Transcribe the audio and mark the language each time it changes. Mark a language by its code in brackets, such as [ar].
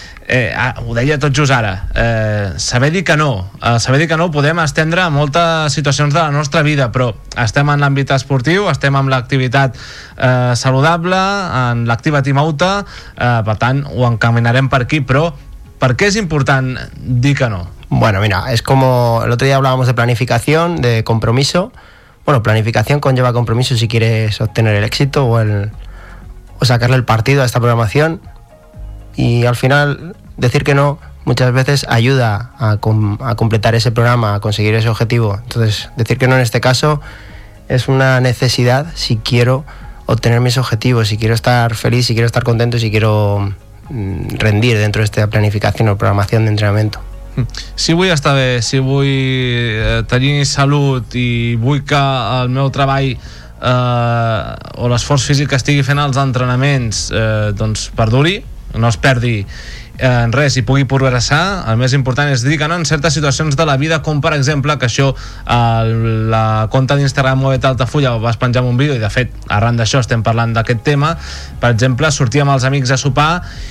[ca] Ho deia tot just ara, saber dir que no, saber dir que no podem estendre a moltes situacions de la nostra vida, però estem en l'àmbit esportiu, estem en l'activitat saludable, en l'activa timauta, per tant ho encaminarem per aquí, però per què és important dir que no? [es] Bueno, mira, es como el otro día hablábamos de planificación, de compromiso. Bueno, planificación conlleva compromiso si quieres obtener el éxito o sacarle el partido a esta programación. Y al final, decir que no muchas veces ayuda a completar ese programa, a conseguir ese objetivo. Entonces, decir que no en este caso es una necesidad si quiero obtener mis objetivos, si quiero estar feliz, si quiero estar contento, si quiero rendir dentro de esta planificación o programación de entrenamiento. [ca] Si vull estar bé, si vull tenir salut i vull que el meu treball o l'esforç físic que estigui fent als entrenaments doncs perduri, no es perdi en res i pugui progressar, el més important és dir que no en certes situacions de la vida, com per exemple que això, la compte d'Instagram Mòbet Altafulla, vas penjar un vídeo i de fet, arran d'això estem parlant d'aquest tema, per exemple, sortir amb els amics a sopar,